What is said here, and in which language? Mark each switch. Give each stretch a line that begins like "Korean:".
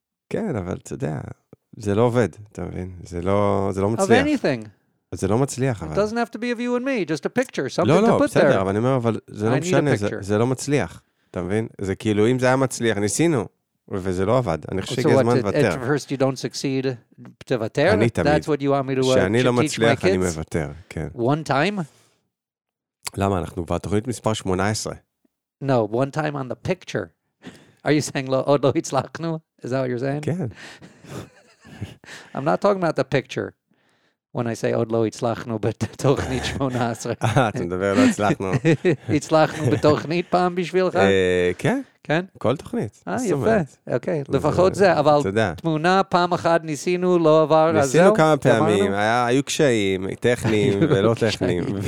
Hebrew: כן, אבל אתה יודע, זה לא עובד, אתה מבין? זה לא מצליח.
English: Of anything.
Hebrew: זה לא מצליח, אבל...
English: It doesn't have to be of you and me, just a picture, something to put there.
Hebrew: לא, בסדר, אבל אני אומר, אבל זה לא משנה, זה לא מצליח, אתה מבין? זה כאילו, אם זה היה מצליח, ניסינו, וזה לא עבד. אני חושב שגיע זמן לוותר.
English: So what, at first you don't succeed,
Hebrew: תוותר? אני תמיד.
English: That's what you want me to teach my kids?
Hebrew: כשאני לא מצליח, אני מוותר, כן.
English: One time?
Hebrew: למה, אנחנו בתוכנית מספר 18.
English: No, one time on the picture. Are you saying,
Hebrew: עוד לא הצלחנו?
English: Is that what you're saying?
Hebrew: כן.
English: I'm not talking about the picture. When I say
Hebrew: עוד לא הצלחנו בתוכנית 18. אתה מדבר לא הצלחנו. הצלחנו בתוכנית פעם בשבילך? כן. כן? כל תוכנית. יפה. אוקיי, לפחות זה. אבל תמונה, פעם אחת ניסינו, לא עבר, אז זהו. ניסינו כמה פעמים, היו קשיים, טכניים ולא טכניים.